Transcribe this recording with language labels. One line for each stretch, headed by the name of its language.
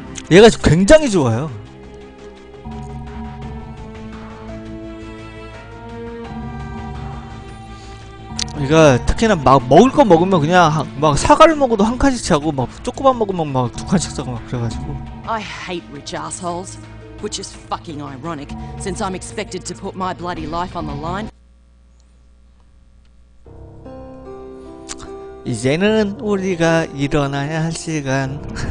Korean: 얘가 굉장히 좋아요. 그러니까 특히나 막 먹을 거 먹으면 그냥 막 사과를 먹어도 한 칸씩 차고, 막 초코바 먹으면 막두 칸씩 차고 막 그래가지고.
English: I hate rich assholes, which is fucking ironic, since I'm expected to put my bloody life on the line.
Korean: 이제는 우리가 일어나야 할 시간.